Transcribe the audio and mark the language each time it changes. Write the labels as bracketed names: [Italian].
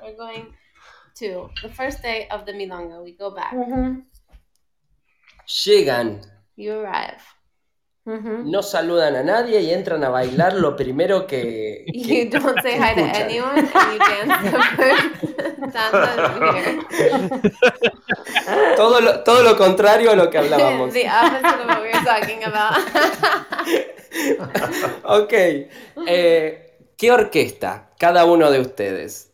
[English] We're going to the first day of the milonga. We go back. [Spanish] Llegan. [English] You arrive. [Spanish] No saludan a nadie y entran a bailar lo primero que [English] you don't say hi to anyone and you dance the first dance of the year. [Spanish] Todo lo contrario a lo que hablábamos. [English] The opposite of what we were talking about. [Spanish] Okay. ¿Qué orquesta cada uno de ustedes?